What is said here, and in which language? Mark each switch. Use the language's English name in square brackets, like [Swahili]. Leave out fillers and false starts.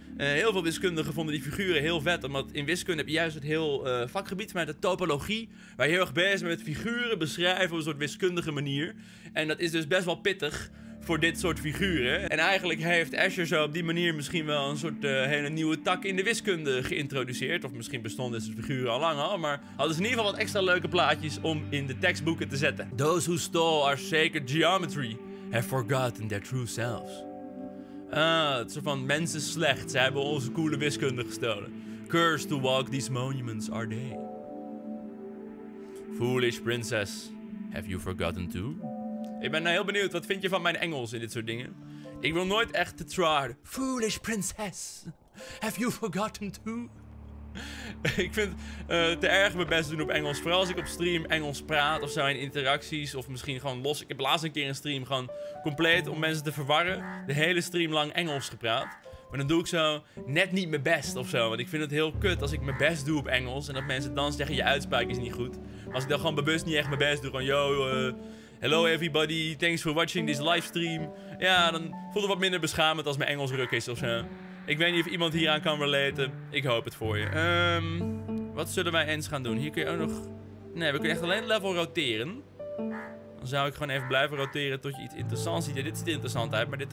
[Dutch] Heel veel wiskundigen vonden die figuren heel vet, omdat in wiskunde heb je juist het heel vakgebied met de topologie, waar je heel erg bezig bent met figuren beschrijven op een soort wiskundige manier. En dat is dus best wel pittig voor dit soort figuren. En eigenlijk heeft Asher zo op die manier misschien wel een soort hele nieuwe tak in de wiskunde geïntroduceerd. Of misschien bestonden deze figuren al lang al, maar hadden ze in ieder geval wat extra leuke plaatjes om in de tekstboeken te zetten. [English] Those who stole our sacred geometry have forgotten their true selves. [Dutch] Het soort van mensen slecht. Ze hebben onze coole wiskunde gestolen. [English] Cursed to walk these monuments are they. Foolish princess, have you forgotten too? [Dutch] Ik ben nou heel benieuwd, wat vind je van mijn Engels in dit soort dingen? Ik wil nooit echt te traar. [English] Foolish princess, have you forgotten too? [Dutch] Ik vind het te erg mijn best doen op Engels. Vooral als ik op stream Engels praat of zo in interacties. Of misschien gewoon los. Ik heb laatst een keer een stream gewoon compleet om mensen te verwarren. De hele stream lang Engels gepraat. Maar dan doe ik zo net niet mijn best of zo. Want ik vind het heel kut als ik mijn best doe op Engels. En dat mensen dan zeggen, je uitspraak is niet goed. Maar als ik dan gewoon bewust niet echt mijn best doe. Gewoon, yo, [English] Hello everybody, thanks for watching this livestream. [Dutch] Ja, dan voelt het wat minder beschamend als mijn Engels ruk is ofzo. Ik weet niet of iemand hieraan kan relaten. Ik hoop het voor je. Wat zullen wij eens gaan doen? Hier kun je ook nog... Nee, we kunnen echt alleen level roteren. Dan zou ik gewoon even blijven roteren tot je iets interessants ziet. Ja, dit ziet er interessant uit, maar dit...